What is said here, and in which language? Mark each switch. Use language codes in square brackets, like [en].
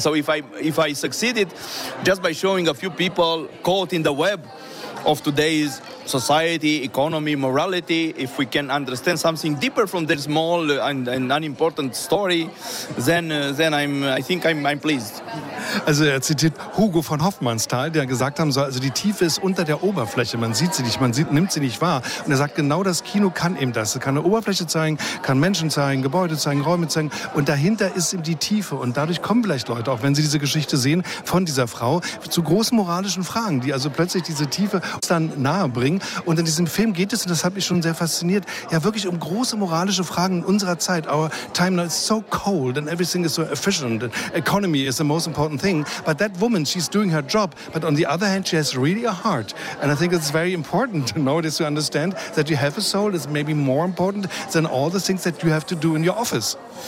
[en] So if I succeeded just by showing a few people caught in the web of today's society, economy, morality, if we can understand something deeper from their small and unimportant story, then I think I'm pleased. [de] Also er zitiert Hugo von Hofmannsthal, der gesagt haben soll, also die Tiefe ist unter der Oberfläche, man sieht sie nicht, nimmt sie nicht wahr. Und er sagt, genau das Kino kann eben das. Es kann eine Oberfläche zeigen, kann Menschen zeigen, Gebäude zeigen, Räume zeigen. Und dahinter ist eben die Tiefe. Und dadurch kommen vielleicht Leute, auch wenn sie diese Geschichte sehen, von dieser Frau, zu großen moralischen Fragen, die also plötzlich diese Tiefe dann nahe bringen. Und in diesem Film geht es, und das hat mich schon sehr fasziniert, ja wirklich um große moralische Fragen in unserer Zeit. [en] Our time now is so cold and everything is so efficient. And economy is the most important thing. But that woman, she's doing her job. But on the other hand, she has really a heart. And I think it's very important to know this, to understand that you have a soul is maybe more important than all the things that you have to do in your office.